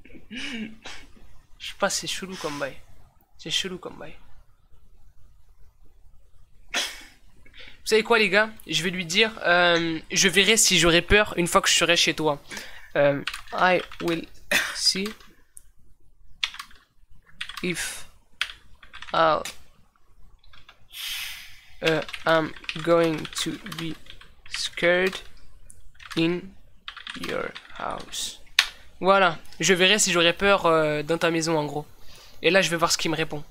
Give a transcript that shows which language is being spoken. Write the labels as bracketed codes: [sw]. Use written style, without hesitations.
[fr] Je sais pas, c'est chelou comme bail. C'est chelou comme bail. Vous savez quoi, les gars? Je vais lui dire, je verrai si j'aurai peur une fois que je serai chez toi. [en] I will see if I'll, I'm going to be scared in your house. [fr] Voilà, je verrai si j'aurai peur dans ta maison, en gros. Et là, je vais voir ce qu'il me répond.